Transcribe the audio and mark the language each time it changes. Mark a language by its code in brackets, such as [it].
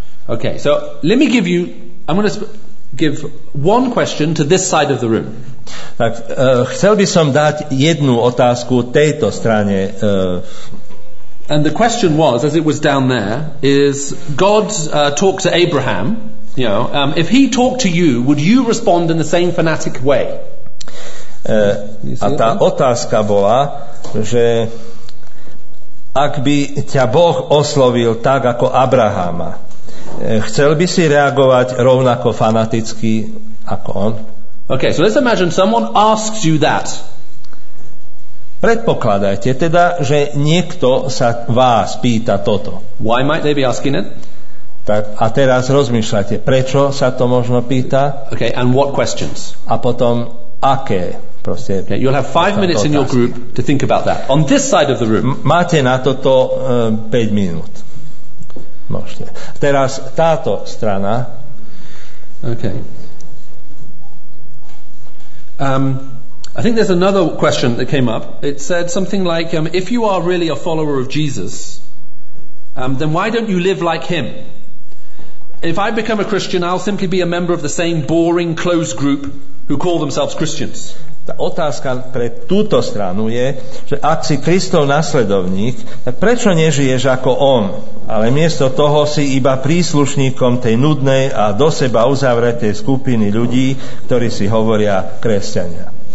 [en] Okay, so let me give you, I'm going to give one question to this side of the room. [sk] Tak chcel by som dať jednu otázku tejto strane. [en] And the question was, as it was down there, is God talked to Abraham, you know, if he talked to you, would you respond in the same fanatic way? [sk] A tá otázka bola, že ak by ťa Boh oslovil tak ako Abrahama, chcel by si reagovať rovnako fanaticky ako on? [en] Okay, so let's imagine someone asks you that. [sk] Predpokladajte teda, že niekto sa vás pýta toto. [en] Why might they be asking it? [sk] Tak a teraz rozmýšľate, prečo sa to možno pýta? [en] Okay, and what questions? [sk] A potom aké? Proste, [en] okay, you'll have 5 minutes in your group to think about that. On this side of the room. [sk] Máte na toto 5 minút. Môžete. Teraz táto strana. [en] Okay. I think there's another question that came up. It said something like, if you are really a follower of Jesus, then why don't you live like him? If I become a Christian, I'll simply be a member of the same boring close group who call themselves Christians. [sk] Tá otázka pre túto stranu je, že ak si Kristov nasledovník, tak prečo nežiješ ako on, ale miesto toho si iba príslušníkom tej nudnej a do seba uzavretej skupiny ľudí, ktorí si hovoria kresťania.